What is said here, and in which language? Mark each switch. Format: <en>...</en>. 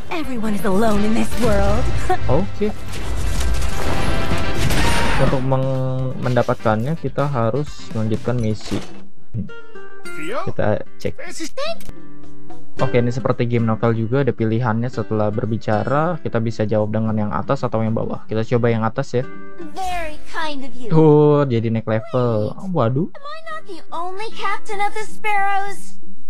<en>Everyone is alone in this world. Oke.</en> <id>Untuk mendapatkannya kita harus melanjutkan misi. Kita cek. Oke, ini seperti game novel juga, ada pilihannya. Setelah berbicara kita bisa jawab dengan yang atas atau yang bawah. Kita coba yang atas ya.</id> <en>Very kind of you.</en> <id>Tuh, jadi naik level. Waduh.</id> <en>Am I not the only captain of the sparrows?</en>